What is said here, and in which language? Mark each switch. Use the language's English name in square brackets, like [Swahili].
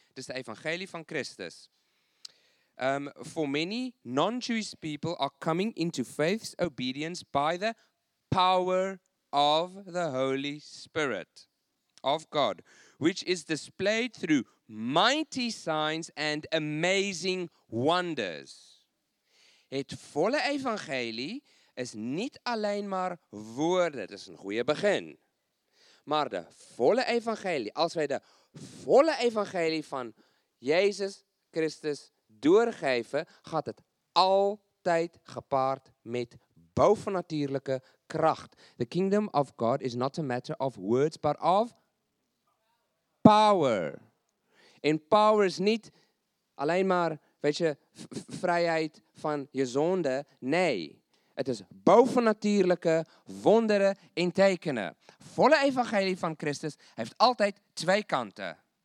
[Dutch] Dus de evangelie van Christus. [English] For many non-Jewish people are coming into faith's obedience by the power of the Holy Spirit of God, which is displayed through mighty signs and amazing wonders. [Dutch] Het volle evangelie is niet alleen maar woorden, dat is een goede begin. Maar de volle evangelie, als wij de volle evangelie van Jezus Christus doorgeven, gaat het altijd gepaard met bovennatuurlijke kracht. [English] The kingdom of God is not a matter of words, but of power. [Dutch] En power is niet alleen maar, weet je, vrijheid van je zonde. Nee, het is bovennatuurlijke wonderen en tekenen. Volle evangelie van Christus heeft altijd twee kanten.